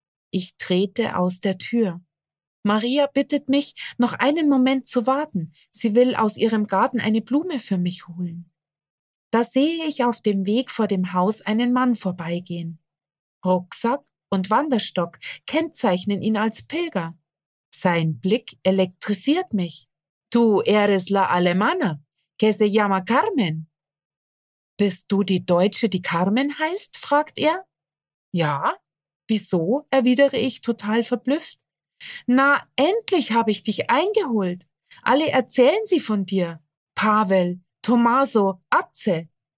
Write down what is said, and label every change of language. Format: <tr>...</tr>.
<de>Ich trete aus der Tür. Maria bittet mich, noch einen Moment zu warten. Sie will aus ihrem Garten eine Blume für mich holen. Da sehe ich auf dem Weg vor dem Haus einen Mann vorbeigehen. Rucksack und Wanderstock kennzeichnen ihn als Pilger. Sein Blick elektrisiert mich.</de> <es>Tu eres la alemana, que se llama Carmen.</es> <de>Bist du die Deutsche, die Carmen heißt? Fragt er. Ja, wieso? Erwidere ich total verblüfft. »Na, endlich habe ich dich eingeholt. Alle erzählen sie von dir. Pavel, Tommaso, Atze.</de>